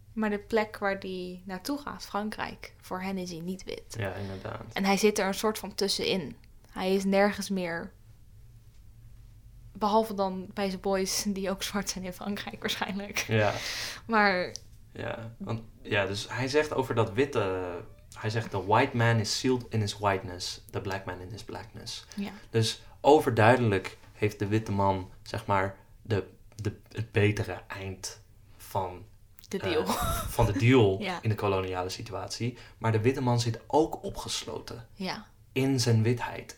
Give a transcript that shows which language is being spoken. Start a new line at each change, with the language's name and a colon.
Dutch: Maar de plek waar die naartoe gaat, Frankrijk, voor hen is hij niet wit. Ja, inderdaad. En hij zit er een soort van tussenin. Hij is nergens meer. Behalve dan bij zijn boys, die ook zwart zijn in Frankrijk waarschijnlijk. Ja. Maar. Ja, want, ja, dus hij zegt over dat witte. Hij zegt,
English: the white man is sealed in his whiteness. The black man in his blackness.
Dutch: Ja. Dus overduidelijk heeft de witte man, zeg maar, het betere eind van de deal. Van de deal in de koloniale situatie. Maar de witte man zit ook opgesloten. Ja. In zijn witheid.